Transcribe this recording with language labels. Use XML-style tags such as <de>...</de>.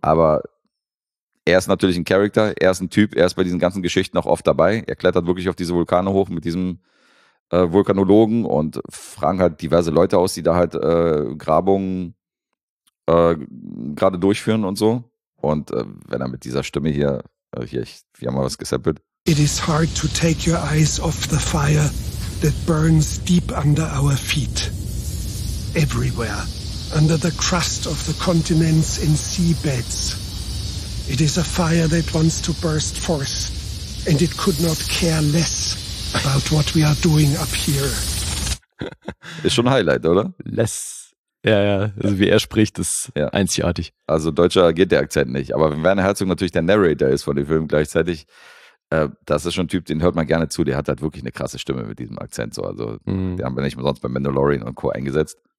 <de>Aber er ist natürlich ein Charakter, er ist ein Typ, er ist bei diesen ganzen Geschichten auch oft dabei. Er klettert wirklich auf diese Vulkane hoch mit diesem Vulkanologen und fragen halt diverse Leute aus, die da halt Grabungen gerade durchführen und so. Und wenn er mit dieser Stimme hier, wir haben mal was gesappelt.</de> <en>It is hard to take your eyes off the fire that burns deep under our feet. Everywhere, under the crust of the continents and seabeds. It is a fire that wants to burst forth, and it could not care less about what we are doing up here.</en> <de>Ist schon ein Highlight, oder? Less. Ja, ja. Also wie er spricht, ist ja einzigartig. Also deutscher geht der Akzent nicht. Aber wenn Werner Herzog natürlich der Narrator ist von dem Film gleichzeitig, das ist schon ein Typ, den hört man gerne zu. Der hat halt wirklich eine krasse Stimme mit diesem Akzent. So. Also den haben wir nicht umsonst bei Mandalorian und Co. eingesetzt.</de>